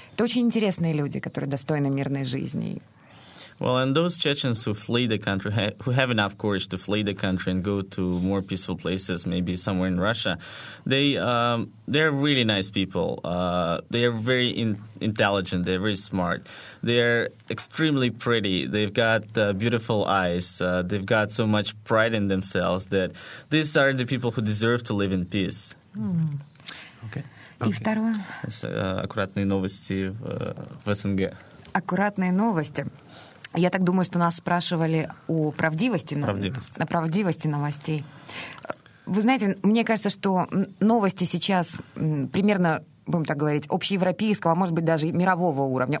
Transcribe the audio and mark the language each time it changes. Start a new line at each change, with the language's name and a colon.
Russian: Это очень интересные люди, которые достойны мирной жизни.
English: Well, and those Chechens who flee the country, who have enough courage to flee the country and go to more peaceful places, maybe somewhere in Russia, they're really nice people. They are very intelligent. They're very smart. They're extremely pretty. They've got beautiful eyes. They've got so much pride in themselves that these are the people who deserve to live in peace. Okay.
Russian: И второе. Аккуратные новости в СНГ. Аккуратные новости. Я так думаю, что нас спрашивали о правдивости новостей. Вы знаете, мне кажется, что новости сейчас примерно, будем так говорить, общеевропейского, а может быть, даже мирового уровня.